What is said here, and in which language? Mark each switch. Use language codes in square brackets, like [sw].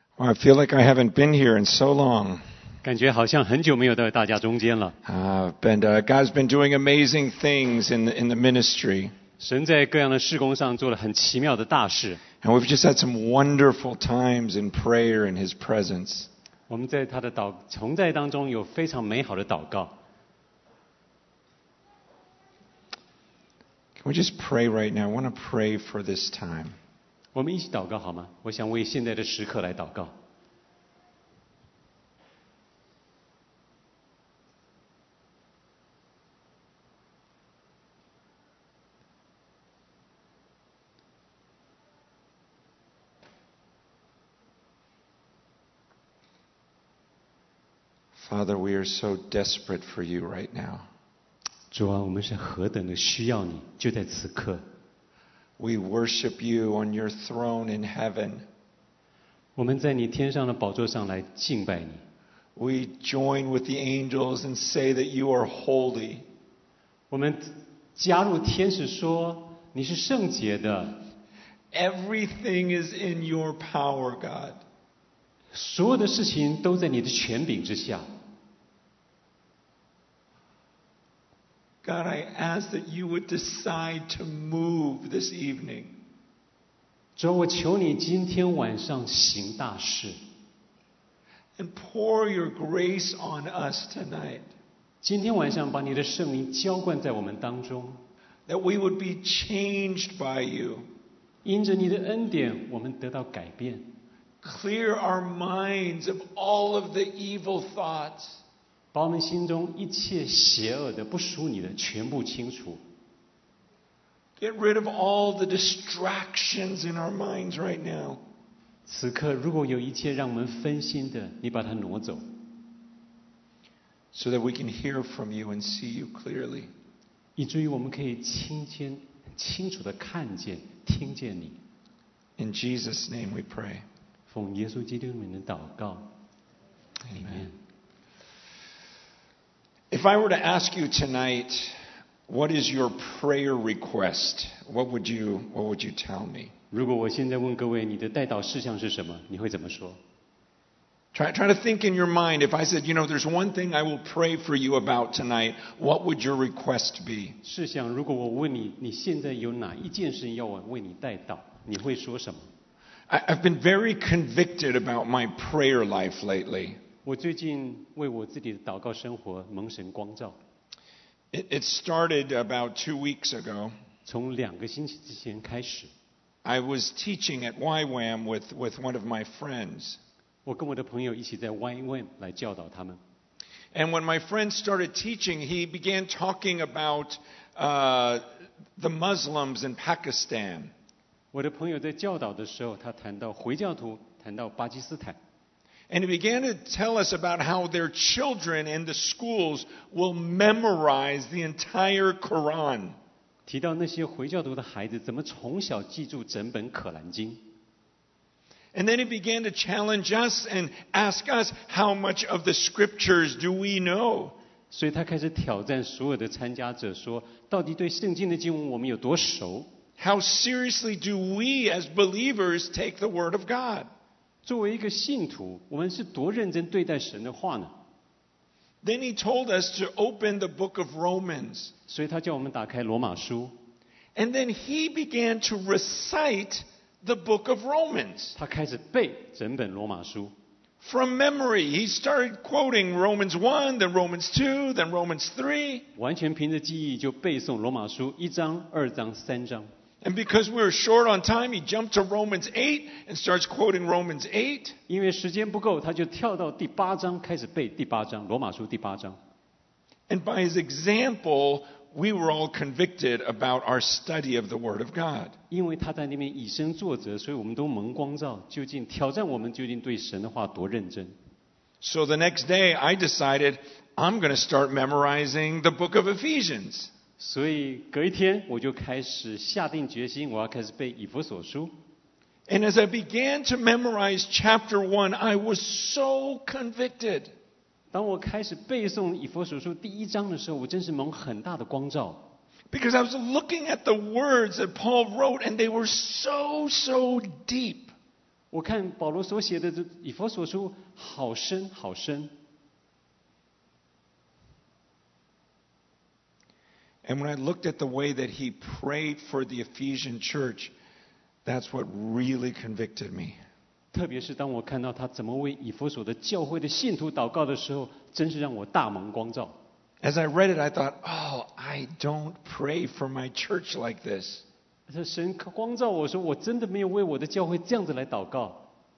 [en] I feel like I haven't been here in so long. [zh] 感觉好像很久没有到大家中间了。 [en] God's been doing amazing things in the ministry. [zh] 神在各样的事工上做了很奇妙的大事。 [en] And we've just had some wonderful times in prayer in His presence. [zh] 我们在他的同在当中有非常美好的祷告。 [en] Can we just pray right now? I want to pray for this time. [zh] 我们一起祷告好吗？我想为现在的时刻来祷告。 [en] Father, we are so desperate for you right now. [zh] 主啊，我们是何等的需要你，就在此刻。 [en] We worship you on your throne in heaven. [zh] 我们在你天上的宝座上来敬拜你。 [en] We join with the angels and say that you are holy. [zh] 我们加入天使说你是圣洁的。 [en] Everything is in your power, God. [zh] 所有的事情都在你的权柄之下。 [en] God, I ask that you would decide to move this evening. [zh] 主，我求你今天晚上行大事。 [en] And pour your grace on us tonight. [zh] 今天晚上把你的圣灵浇灌在我们当中。 [en] That we would be changed by you. [zh] 因着你的恩典，我们得到改变。 [en] Clear our minds of all of the evil thoughts. [zh] 把我们心中一切邪恶的、不属你的，全部清除。 [en] Get rid of all the distractions in our minds right now. [zh] 此刻如果有一切让我们分心的，你把它挪走。 [en] So that we can hear from you and see you clearly. [zh] 以至于我们可以清楚的看见、听见你。 [en] In Jesus' name we pray. [zh] 奉耶稣基督的名祷告。 [en] Amen. If I were to ask you tonight, what is your prayer request? What would you tell me? [zh] 如果我现在问各位你的代祷事项是什么，你会怎么说？ [en] Try to think in your mind. If I said, you know, there's one thing I will pray for you about tonight, what would your request be? [zh] 试想，如果我问你，你现在有哪一件事要我为你代祷，你会说什么？ [en] I've been very convicted about my prayer life lately. [zh] 我最近为我自己的祷告生活蒙神光照。 [en] It started about 2 weeks ago. [zh] 从两个星期之前开始。 [en] I was teaching at YWAM with one of my friends. [zh] 我跟我的朋友一起在 YWAM 来教导他们。 [en] And when my friend started teaching, he began talking about the Muslims in Pakistan. [zh] 我的朋友在教导的时候，他谈到回教徒，谈到巴基斯坦。 [en] And he began to tell us about how their children in the schools will memorize the entire Quran. [zh] 提到那些回教徒的孩子怎么从小记住整本可兰经。 [en] And then he began to challenge us and ask us how much of the scriptures do we know. [zh] 所以他开始挑战所有的参加者说，到底对圣经的经文我们有多熟。 [en] How seriously do we as believers take the word of God? [zh] 作为一个信徒，我们是多认真对待神的话呢？ [en] Then he told us to open the book of Romans. [zh] 所以他叫我们打开罗马书。 [en] And then he began to recite the book of Romans. [zh] 他开始背整本罗马书。 [en] From memory, he started quoting Romans 1, then Romans 2, then Romans 3. [zh] 完全凭着记忆就背诵罗马书一章、二章、三章。 [en] And because we were short on time, he jumped to Romans 8 and starts quoting Romans 8. [zh] 因为时间不够，他就跳到第八章开始背第八章，罗马书第八章。 [en] And by his example, we were all convicted about our study of the Word of God. [zh] 因为他在那边以身作则，所以我们都蒙光照，究竟挑战我们究竟对神的话多认真。 [en] So the next day, I decided I'm going to start memorizing the book of Ephesians. [zh] 所以隔一天我就开始下定决心，我要开始背以弗所书。 [en] And as I began to memorize chapter 1, I was so convicted. [zh] 当我开始背诵以弗所书第一章的时候，我真是蒙很大的光照。 [en] Because I was looking at the words that Paul wrote, and they were so deep. [zh] 我看保罗所写的以弗所书好深好深。 [en] And when I looked at the way that he prayed for the Ephesian church, that's what really convicted me. [zh] 特别是当我看到他怎么为以弗所的教会的信徒祷告的时候，真是让我大蒙光照。 [en] As I read it, I thought, oh, I don't pray for my church like this. [zh] 神光照我说，我真的没有为我的教会这样子来祷告。